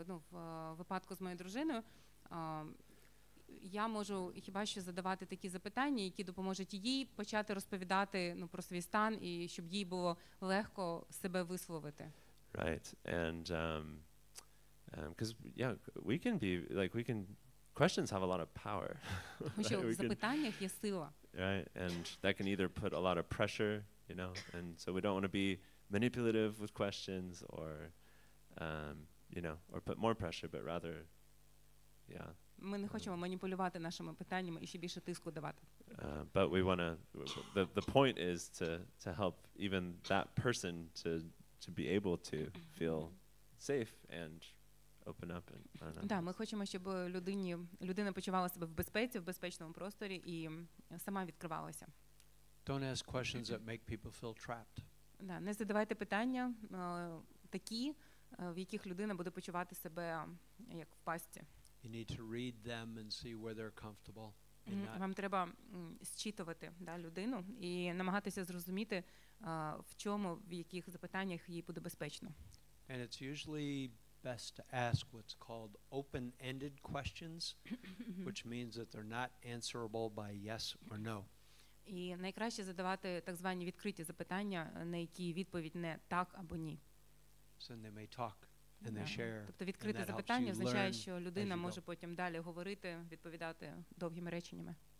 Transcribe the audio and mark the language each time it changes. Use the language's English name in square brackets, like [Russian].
[Ukrainian] В випадку з моєю дружиною, я можу хіба що задавати такі запитання, які допоможуть їй почати розповідати, ну, про свій стан, і щоб їй було легко себе висловити. [English] Right, and, because, yeah, we can be, like, we can, questions have a lot of power. [Ukrainian] Тому що в запитаннях є сила. [English] Right, and that can either put a lot of pressure, you know, and so we don't want to be manipulative with questions or, you know, or put more pressure, but rather, yeah. [Ukrainian] Ми не хочемо маніпулювати нашими питаннями і ще більше тиску давати. [English] But we want to, the point is to help even that person to be able to feel safe and open up and, I don't know. [Ukrainian] Да, ми хочемо, щоб людина почувала себе в безпеці, в безпечному просторі і сама відкривалася. [English] Don't ask questions that make people feel trapped. [Ukrainian] Да, не задавайте питання такі, в яких людина буде почувати себе як в пастці. [English] You need to read them and see where they're comfortable. [Ukrainian] Вам треба зчитувати, да, людину і намагатися зрозуміти, в чому, в яких запитаннях їй буде безпечно. [English] And it's usually best to ask what's called open-ended questions, which means that they're not answerable by yes or no. [Ukrainian] І найкраще задавати так звані відкриті запитання, на які відповідь не так або ні. [English] So they may talk and they share. [Ukrainian] Тобто відкрите запитання означає, що людина може потім далі говорити, відповідати довгими реченнями.